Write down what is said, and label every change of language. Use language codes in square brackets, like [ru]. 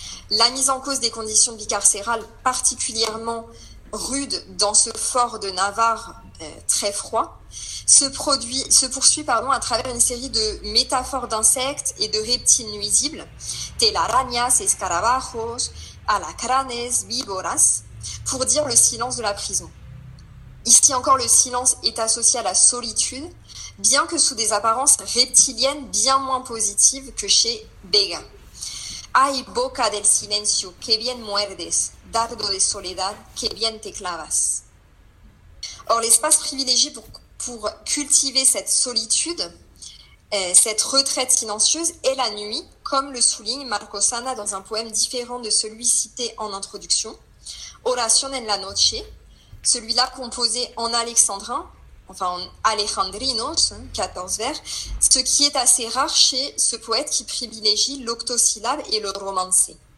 [fr] La mise en cause des conditions bicarcérales particulièrement rudes dans ce fort de Navarre très froid se poursuit à travers une série de métaphores d'insectes et de reptiles nuisibles, [es] telarañas, escarabajos, alacranes, víboras, [fr] pour dire le silence de la prison. Ici encore, le silence est associé à la solitude, bien que sous des apparences reptiliennes bien moins positives que chez Vega. [es] Ay, boca del silencio, que bien muerdes, dardo de soledad, que bien te clavas. [fr] Or, l'espace privilégié pour cultiver cette solitude, cette retraite silencieuse, est la nuit, comme le souligne Marco Sana dans un poème différent de celui cité en introduction, Oración en la noche, celui-là composé en alexandrin, enfin en alejandrinos, 14 vers, ce qui est assez rare chez ce poète qui privilégie l'octosyllabe et le romancé.